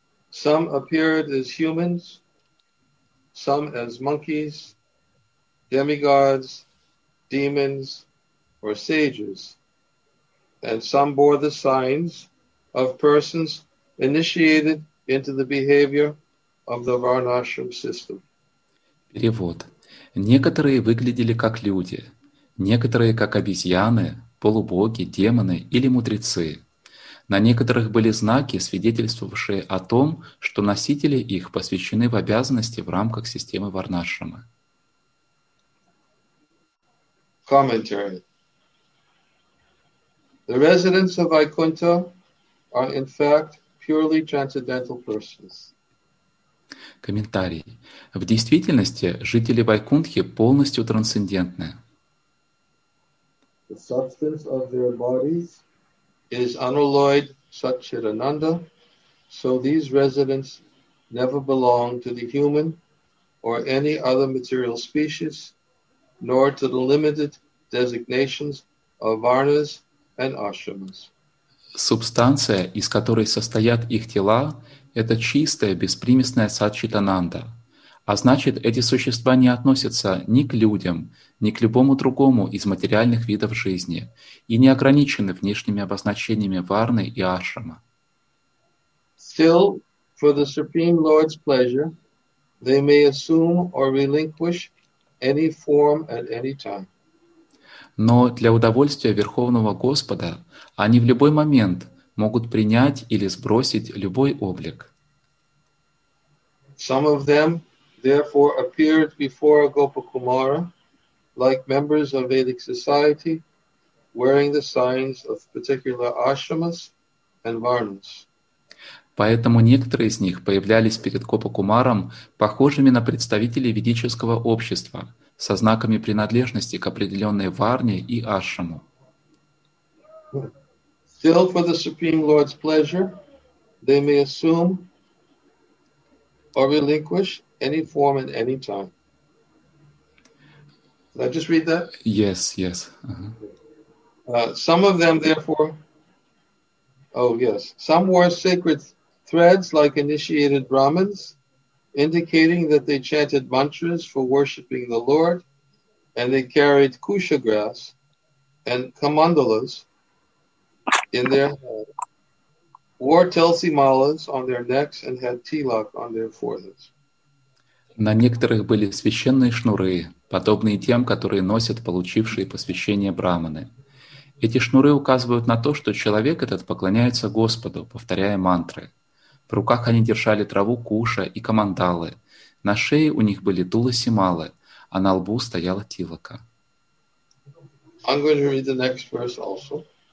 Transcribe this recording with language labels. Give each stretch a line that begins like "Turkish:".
English: Some appeared as humans, some as monkeys, demigods, demons, or sages, and some bore the signs of persons initiated into the behavior of the Varnashram system.
Russian: Перевод. Некоторые выглядели как люди, некоторые как обезьяны, полубоги, демоны или мудрецы. На некоторых были знаки, свидетельствовавшие о том, что носители их посвящены в обязанности в рамках системы Варнашрама.
English: Commentary. The residents of Vaikuntha are in fact purely transcendental persons.
Russian: Комментарий. В действительности жители Вайкунтхи полностью трансцендентны.
English: The substance of their bodies is unalloyed Satchitananda, so these residents never belong to the human or any other material species, nor to the limited designations of varnas and ashramas.
Russian: Субстанция, из которой состоят их тела, это чистая, беспримесная Сатчитананда. А значит, эти существа не относятся ни к людям, ни к любому другому из материальных видов жизни и не ограничены внешними обозначениями варны и ашрама.
English: Still, for the Supreme Lord's pleasure, they may assume or relinquish any form at any time.
Russian: Но для удовольствия Верховного Господа они в любой момент могут принять или сбросить любой облик.
English: Some of them therefore appeared before Gopakumara like members of Vedic society wearing the signs of particular ashramas and varnas.
Russian: Поэтому некоторые из них появлялись перед Гопакумаром похожими на представителей ведического общества со знаками принадлежности к определенной варне и ашраму.
English: Still for the Supreme Lord's pleasure, they may assume or relinquish any form at any time. Did I just read that? Yes, yes. Some of them, therefore, oh yes, some wore sacred threads like initiated Brahmins, indicating that they chanted mantras for worshipping the Lord, and they carried kusha grass and kamandalas in their head, wore tulsi malas on their necks and had tilak on their foreheads.
Russian: На некоторых были священные шнуры, подобные тем, которые носят получившие посвящение брахманы. Эти шнуры указывают на то, что человек этот поклоняется Господу, повторяя мантры. В руках они держали траву куша и камандалы. На шее у них были туласи малы, а на лбу стояла тилака.
English: I'm going to read the next verse also.